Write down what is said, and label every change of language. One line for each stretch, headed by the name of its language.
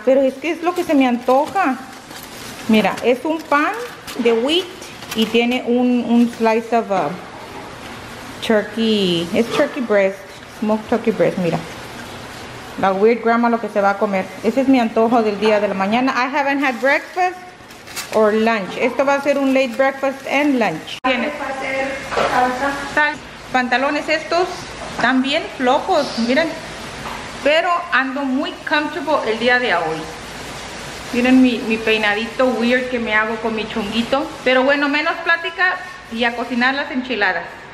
Spanish: Pero es que es lo que se me antoja. Mira, es un pan de wheat y tiene un
English: slice of turkey,
Spanish: es
English: turkey breast, smoked turkey breast,
Spanish: mira. La
English: weird grandma
Spanish: lo que se va a comer. Ese es mi antojo del día de la mañana.
English: I haven't had breakfast or lunch.
Spanish: Esto va a ser un
English: late breakfast and lunch.
Spanish: ¿Tienes? Pantalones estos están bien flojos, miren. Pero ando muy comfortable el día de hoy. Miren mi peinadito weird que me hago con mi chonguito. Pero bueno, menos plática y a cocinar las enchiladas.